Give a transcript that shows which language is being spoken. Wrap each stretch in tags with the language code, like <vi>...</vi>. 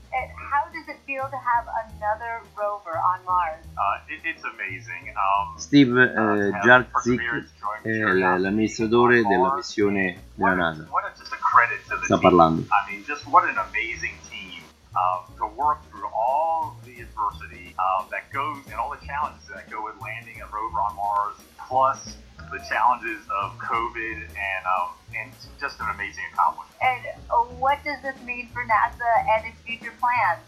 <en>How does it feel to have another rover on Mars? It's amazing.</en> <it>Steve Jarczyk è l'amministratore della missione della NASA. Sta parlando.</it> <en>I mean, just what an amazing team to work through all the adversity that goes and all the challenges that go with landing a rover on Mars, plus the challenges of COVID and just an amazing accomplishment. And what does this mean for NASA and its future plans?</en>